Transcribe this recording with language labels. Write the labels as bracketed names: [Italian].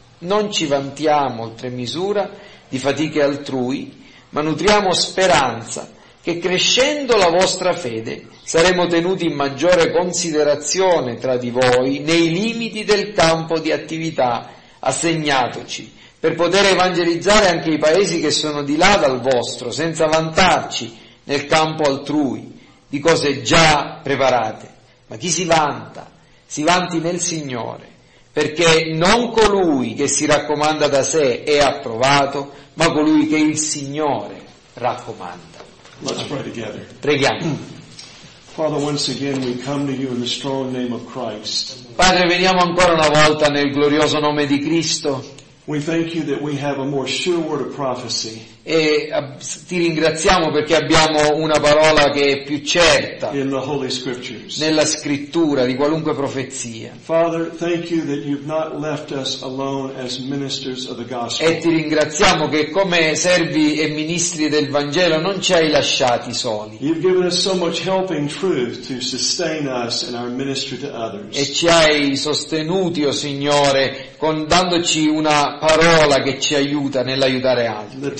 [Italian] Non ci vantiamo oltre misura di fatiche altrui, ma nutriamo speranza che crescendo la vostra fede saremo tenuti in maggiore considerazione tra di voi nei limiti del campo di attività assegnatoci, per poter evangelizzare anche i paesi che sono di là dal vostro, senza vantarci nel campo altrui di cose già preparate. Ma chi si vanti nel Signore, perché non colui che si raccomanda da sé è approvato, ma colui che il Signore raccomanda. [English] Let's pray together. [Italian] Preghiamo. [English] Father, once again we come to you in the strong name of Christ. [Italian] Padre, veniamo ancora una volta nel glorioso nome di Cristo. [English] We thank you that we have a more sure word of prophecy. [Italian] E ti ringraziamo perché abbiamo una parola che è più certa [English] in the Holy Scriptures. [Italian] Nella scrittura di qualunque profezia. [English] Father, thank you that you've not left us alone as ministers of the gospel. [Italian] E ti ringraziamo che come servi e ministri del Vangelo non ci hai lasciati soli. [English] You've given us so much helping truth to sustain us in our ministry to others. [Italian] E ci hai sostenuti, oh Signore, con dandoci una parola che ci aiuta nell'aiutare altri.